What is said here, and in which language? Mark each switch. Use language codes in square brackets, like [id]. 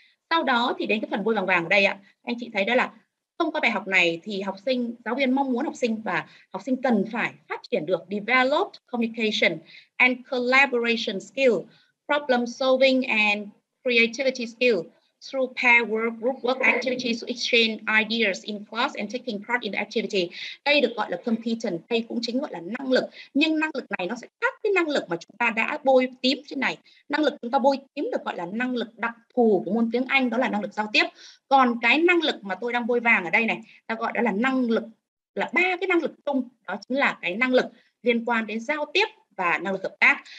[vi] Sau đó thì đến cái phần vôi vàng ở đây ạ. Anh chị thấy đó là thông qua bài học này thì học sinh, giáo viên mong muốn học sinh và học sinh cần phải phát triển được [en] developed communication and collaboration skill, problem solving and creativity skill, through pair work, group work activities, exchange ideas in class and taking part in the activity. [vi] Đây được gọi là competence, đây cũng chính gọi là năng lực. Nhưng năng lực này nó sẽ khác với năng lực mà chúng ta đã bôi tím trên này. Năng lực chúng ta bôi tím được gọi là năng lực đặc thù của môn tiếng Anh, đó là năng lực giao tiếp. Còn cái năng lực mà tôi đang bôi vàng ở đây này, ta gọi đó là năng lực, là ba cái năng lực chung, đó chính là cái năng lực liên quan đến giao tiếp và năng lực hợp tác.